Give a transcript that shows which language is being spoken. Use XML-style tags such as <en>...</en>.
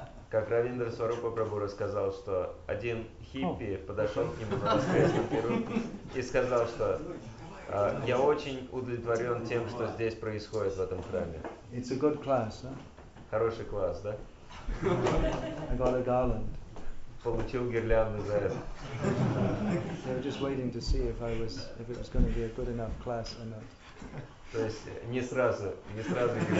<ru>Как Равиндра Сварупа Прабху рассказал, что один хиппи подошел к нему на воскресном пиру и сказал, что я очень удовлетворен тем, что здесь происходит в этом храме.</ru> <en>It's a good class, huh?</en> <ru>Хороший класс, да?</ru> <en>I got a garland.</en> <ru>Получил гирлянду за это.</ru> <en>They were just waiting to see if it was going to be a good enough class or not.</en> <ru>То есть не сразу гирлянду.</ru>